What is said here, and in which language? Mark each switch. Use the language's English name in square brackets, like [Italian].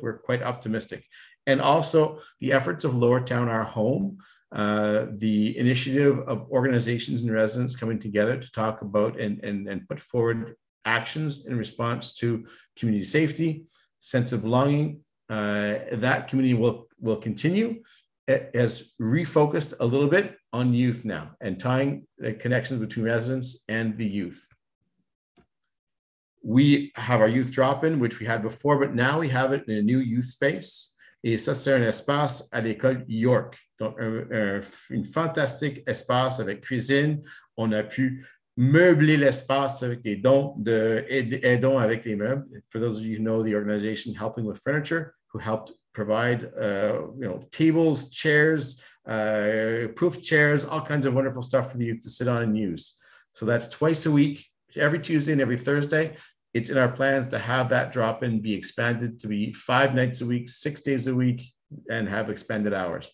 [English] We're quite optimistic. And also the efforts of Lower Town, Our Home, the initiative of organizations and residents coming together to talk about and put forward actions in response to community safety, sense of belonging, that community will continue. It has refocused a little bit on youth now and tying the connections between residents and the youth. We have our youth drop-in, which we had before, but now we have it in a new youth space. [French] Et ça, c'est un espace à l'école York. Donc, un fantastique espace avec cuisine. On a pu meubler l'espace avec des dons, aidons avec des meubles. [English] For those of you who know the organization Helping with Furniture, who helped provide tables, chairs, proof chairs, all kinds of wonderful stuff for the youth to sit on and use. So that's twice a week, every Tuesday and every Thursday. It's in our plans to have that drop-in be expanded to be 5 nights a week, 6 days a week, and have expanded hours.